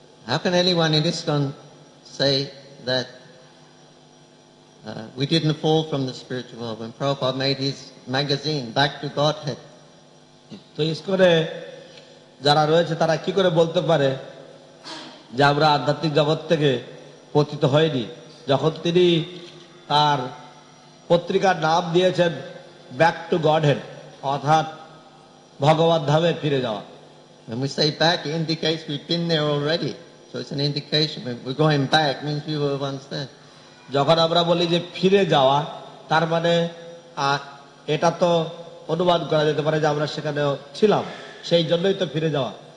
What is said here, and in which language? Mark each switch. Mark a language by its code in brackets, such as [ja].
[en] How can anyone in ISKCON say that we didn't fall from the spiritual world when Prabhupada made his magazine Back to Godhead? [bn] তো ISKCON-এ যারা রয়েছে তারা কি করে বলতে পারে যে আমরা আধ্যাত্মিক জগৎ থেকে পতিত হয়নি, যখন তিনি তার পত্রিকার নাম দিয়েছেন ব্যাক টু গডহেড, অর্থাৎ ভগবত ধামে ফিরে যাওয়া। [en] When we say back, it indicates we've been there already. So it's an indication we're going back, means we were once there. [bn] যখন আমরা বলি যে ফিরে যাওয়া, তার মানে এটা তো অনুবাদ করা যেতে পারে যে আমরা সেখানে ছিলাম, সেই জন্যই তো ফিরে যাওয়া।